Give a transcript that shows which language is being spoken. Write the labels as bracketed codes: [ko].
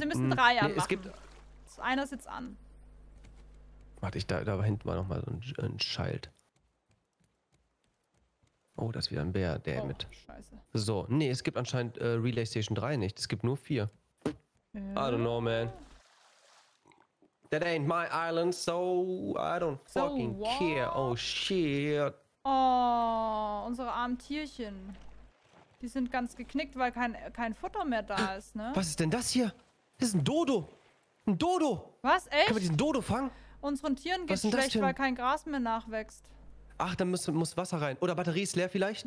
[de] wir müssen drei anmachen. Es gibt... Einer sitzt an. Warte, ich da hinten war nochmal so ein Schild. Oh, das ist wieder ein Bär, der mit. Scheiße. So, nee, es gibt anscheinend Relay Station 3 nicht. Es gibt nur vier. [en] I don't know, man. That ain't my island, so I don't fucking care. Oh, shit. [de] Oh, unsere armen Tierchen. Die sind ganz geknickt, weil kein Futter mehr da ist, ne? Was ist denn das hier? Das ist ein Dodo. Ein Dodo. Was, echt? Können wir diesen Dodo fangen? Unseren Tieren geht's schlecht, weil kein Gras mehr nachwächst. Ach, dann muss Wasser rein. Oder Batterie ist leer vielleicht?